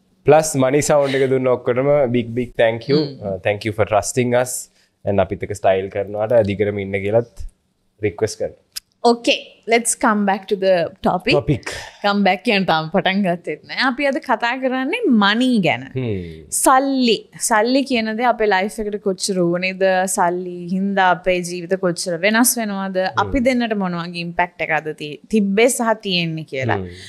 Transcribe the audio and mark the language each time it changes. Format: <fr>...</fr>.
<en>plus money sound</en> <si>එක දුන්න ඔක්කොටම</si> <en>big big thank you. Thank you for trusting us and</en> <si>අපිට එක ස්ටයිල් කරනවාට අධිකරම ඉන්න කියලාත් request කරන්න.</si> <en>Okay, let's come back to the topic.</en> <si>Come back යන්න තාම පටන් ගත්තේ නැහැ. අපි අද කතා කරන්නේ money ගැන. සල්ලි. සල්ලි කියන දේ අපේ life එකට කොච්චර වුණේද, සල්ලි හින්දා අපේ ජීවිත කොච්චර වෙනස් වෙනවද, අපි දෙන්නට මොන වගේ impact එකද තිබ්බේ සහ තියෙන්නේ කියලා.</si>